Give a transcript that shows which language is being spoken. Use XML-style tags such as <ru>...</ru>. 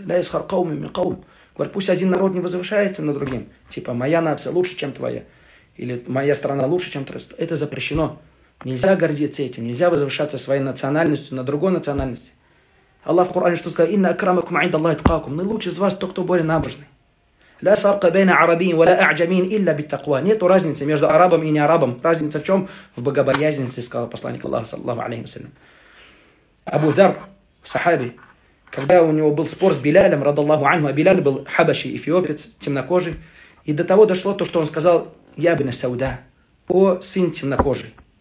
<ar>«Ля исхар кауми ми каум».</ar> <ru>Говорит, пусть один народ не возвышается над другим. Типа, моя нация лучше, чем твоя. Или моя страна лучше, чем твоя. Это запрещено. Нельзя гордиться этим. Нельзя возвышаться своей национальностью на другой национальности. Аллах в Коране что сказал?</ru> <ar>«Инна акрамакум инда Аллахи таквакум».</ar> <ru>Наилучший из вас тот, кто более набожный.</ru> <ar>لا فرق بين عربي ولا أعجمين إلا بالتقوى.</ar> <ru>Нет разницы между арабом и неарабом. Разница в чем? В богобоязненности, сказал посланник Аллаха, саллаллаху алейхи ва саллям. Абу Дар, сахаби, когда у него был спор с Билялем, радаллаху анху, а Биляль был хабаши, эфиопец, темнокожий, и до того дошло то, что он сказал,</ru> <ar>«Я бен Сауда,</ar> <ru>о, сын темнокожий».</ru>